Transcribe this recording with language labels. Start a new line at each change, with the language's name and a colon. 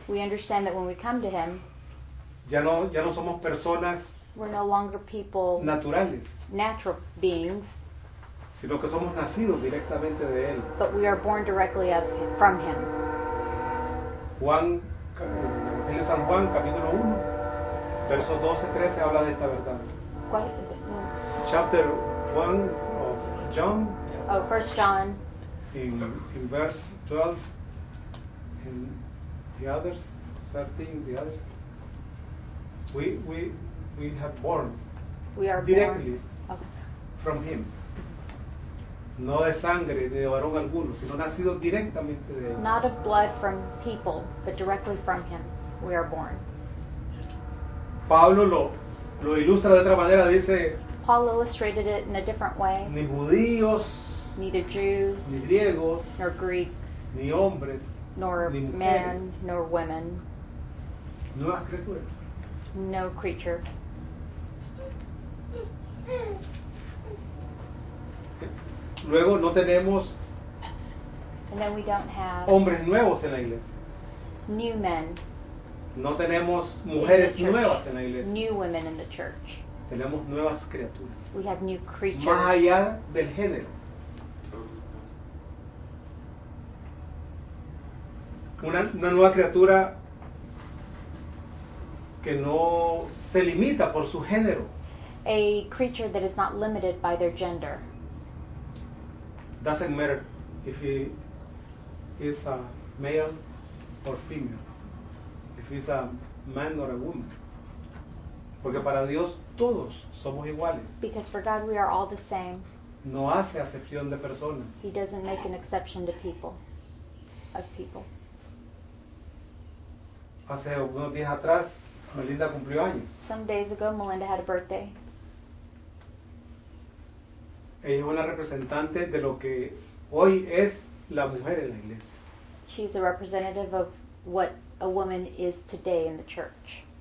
English: we understand that when we come to Him,
Spanish: ya no somos personas.
English: We're no longer people,
Spanish: naturales,
English: natural beings,
Spanish: sino que somos nacidos directamente de Él.
English: But we are born directly of him, from Him.
Spanish: Juan, en San Juan, capítulo 1, versos 12-13, habla de esta verdad. ¿Cuál es el
English: texto? Chapter 1 of John. Oh, 1 John. In verse 12, in the others, 13, the others, we have born, we are directly born. Okay. From Him.
Spanish: No de sangre de varón alguno, sino nacido directamente de Él.
English: Not of blood from people, but directly from Him, we are born.
Spanish: Pablo lo ilustra de otra manera, dice.
English: Paul illustrated it in a different way.
Spanish: Ni judíos,
English: neither Jew,
Spanish: ni griegos,
English: nor Greek,
Spanish: ni hombres,
English: nor
Spanish: ni
English: man,
Spanish: mujeres,
English: nor women.
Spanish: Nuevas criaturas.
English: No creature.
Spanish: Luego no tenemos.
English: And then we don't have
Spanish: hombres nuevos en la iglesia.
English: New men.
Spanish: No tenemos mujeres nuevas en la iglesia.
English: New women in the church.
Spanish: Tenemos nuevas criaturas.
English: We have new creatures.
Spanish: Más allá del género. Una nueva criatura que no se limita por su género.
English: A creature that is not limited by their gender. Doesn't matter if he is a male or female. If he's a man or a woman.
Spanish: Porque para Dios todos somos iguales.
English: Because for God we are all the same.
Spanish: No hace acepción de personas.
English: He doesn't make an exception to people. Of people.
Spanish: Hace unos días atrás Melinda cumplió años.
English: Some days ago, Melinda had a birthday.
Spanish: Ella es una representante de lo que hoy es la mujer en la iglesia.
English: She's a representative of what a woman is today in the church.